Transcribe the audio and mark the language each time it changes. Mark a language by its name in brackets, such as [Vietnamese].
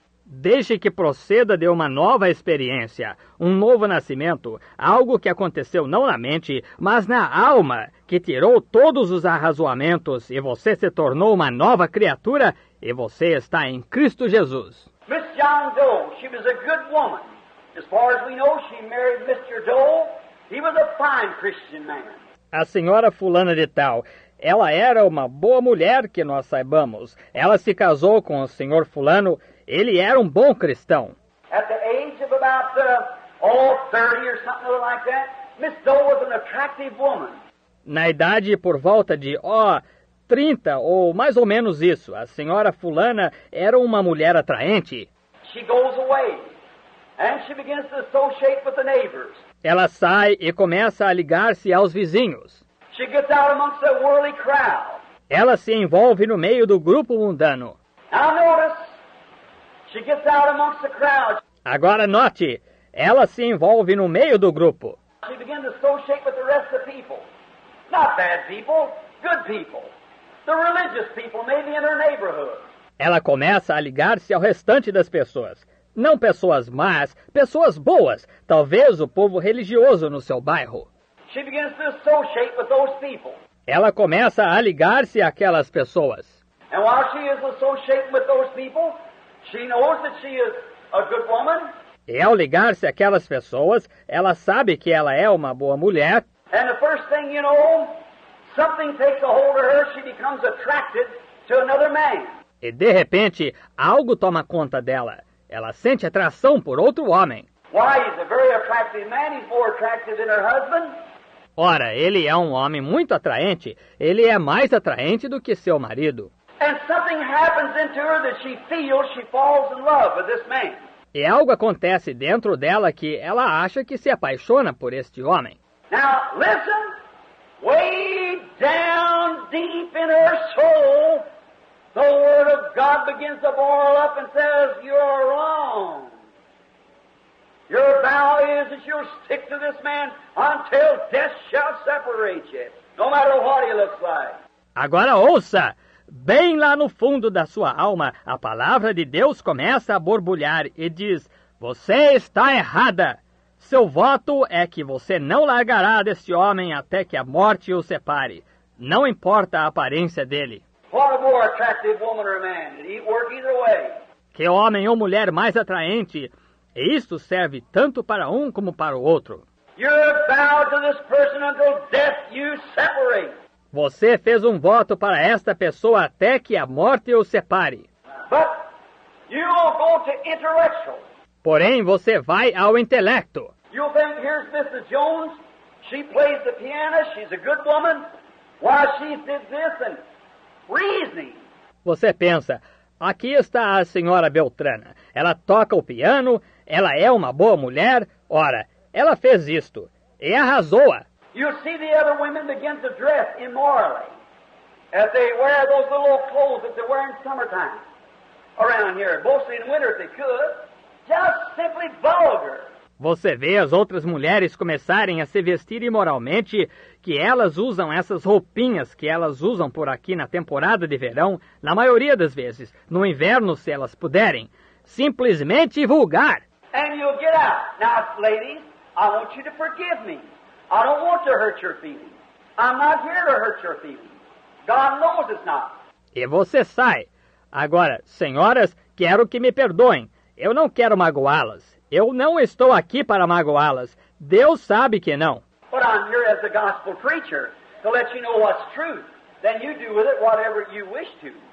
[Portuguese] Deixe que proceda de uma nova experiência, um novo nascimento, algo que aconteceu não na mente, mas na alma, que tirou todos os arrazoamentos e você se tornou uma nova criatura e você está em Cristo Jesus. [English] Miss John Doe, she was a good woman. As far as we know, she married Mr. Doe. He was a fine Christian man. [Portuguese] A senhora fulana de tal, ela era uma boa mulher que nós saibamos. Ela se casou com o senhor fulano. Ele era um bom cristão. [English] At the age of about 30 or something like that, Miss Doe was an attractive woman. [Portuguese] Na idade por volta de 30 ou mais ou menos isso, a senhora fulana era uma mulher atraente. [English] She goes away and she begins to associate with the neighbors. [Portuguese] Ela sai e começa a ligar-se aos vizinhos. [English] She gets out amongst the worldly crowd. [Portuguese] Ela se envolve no meio do grupo mundano. [English] Now notice, she gets out amongst the crowd. [Portuguese] Agora note, ela se envolve no meio do grupo. [English] She begins to associate with the rest of people. Not bad people, good people. The religious people, maybe in her neighborhood. [Portuguese] Ela começa a ligar-se ao restante das pessoas. Não pessoas más, pessoas boas. Talvez o povo religioso no seu bairro. [English] She begins to associate with those people. [Portuguese] Ela começa a ligar-se àquelas pessoas. [English] And while she is associating with those people, she knows that she is a good woman. [Portuguese] E ao ligar-se àquelas pessoas, ela sabe que ela é uma boa mulher. [English] And the first thing you know, something takes a hold of her, she becomes attracted to another man. [Portuguese] E de repente, algo toma conta dela. Ela sente atração por outro homem. [English] Why, he's a very attractive man. He's more attractive than her husband. [Portuguese] Ora, ele é um homem muito atraente. Ele é mais atraente do que seu marido. [English] And something happens into her that she feels she falls in love with this man. [Portuguese] E algo acontece dentro dela que ela acha que se apaixona por este homem. [English] Now, listen. Way down deep in her soul, the word of God begins to boil up and says, you're wrong. Your vow is that you'll stick to this man until death shall separate you, no matter what he looks like. [Portuguese] Agora ouça, bem lá no fundo da sua alma, a palavra de Deus começa a borbulhar e diz, você está errada. Seu voto é que você não largará deste homem até que a morte o separe. Não importa a aparência dele. [English] What a more attractive woman or man. It'd work either way. [Portuguese] Que homem ou mulher mais atraente. E isto serve tanto para um como para o outro. [English] You're bound to this person until death you separate. [Portuguese] Você fez um voto para esta pessoa até que a morte o separe. [English] But you will go to intellectual. [Portuguese] Porém, você vai ao intelecto. [English] You'll think, here's Mrs. Jones. She plays the piano. She's a good woman. Why, she did this and reasoning. [Portuguese] Você pensa, aqui está a senhora Beltrana. Ela toca o piano, ela é uma boa mulher. Ora, ela fez isto e arrasou-a. [English] You see the other women begin to dress immorally. As they wear those little old clothes that they wear in summertime around here, mostly in winter if they could. Just simply vulgar. [Portuguese] Você vê as outras mulheres começarem a se vestir imoralmente, que elas usam essas roupinhas que elas usam por aqui na temporada de verão, na maioria das vezes, no inverno, se elas puderem. Simplesmente vulgar. [English] And you'll get out. Now, ladies, I want you to forgive me. I don't want to hurt your feelings. I'm not here to hurt your feelings. God knows it's not. [Portuguese] E você sai. Agora, senhoras, quero que me perdoem. Eu não quero magoá-las. Eu não estou aqui para magoá-las. Deus sabe que não. [English] But I'm here as a gospel preacher to let you know what's truth. Then you do with it whatever you wish to.